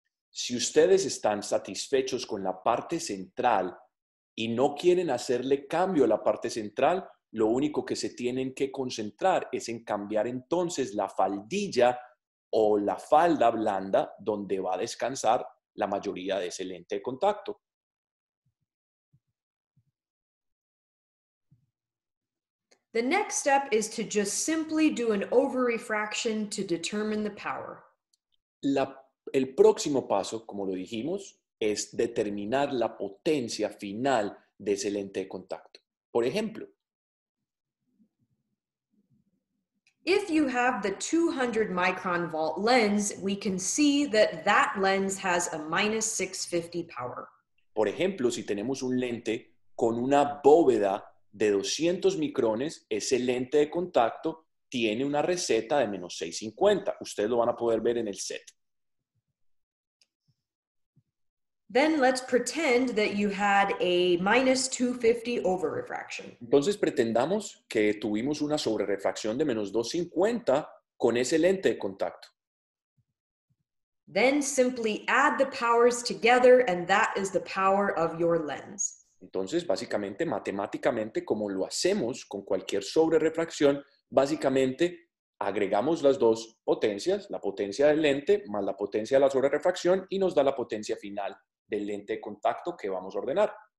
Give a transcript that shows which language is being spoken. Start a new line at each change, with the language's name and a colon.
Spanish: Si ustedes están satisfechos con la parte central y no quieren hacerle cambio a la parte central, lo único que se tienen que concentrar es en cambiar entonces la faldilla o la falda blanda donde va a descansar la mayoría de ese lente de contacto.
English: The next step is to just simply do an over-refraction to determine the power.
Spanish: El próximo paso, como lo dijimos, es determinar la potencia final de ese lente de contacto. Por ejemplo,
English: if you have the 200 micron vault lens, we can see that that lens has a minus 650 power.
Spanish: Por ejemplo, si tenemos un lente con una bóveda de 200 micrones, ese lente de contacto tiene una receta de menos 650. Ustedes lo van a poder ver en el set.
English: Then let's pretend that you had a minus 250 over refraction.
Spanish: Entonces pretendamos que tuvimos una sobre refracción de menos 250 con ese lente de contacto.
English: Then simply add the powers together and that is the power of your lens.
Spanish: Entonces básicamente, matemáticamente, como lo hacemos con cualquier sobre refracción, básicamente agregamos las dos potencias, la potencia del lente más la potencia de la sobre refracción y nos da la potencia final del lente de contacto que vamos a ordenar.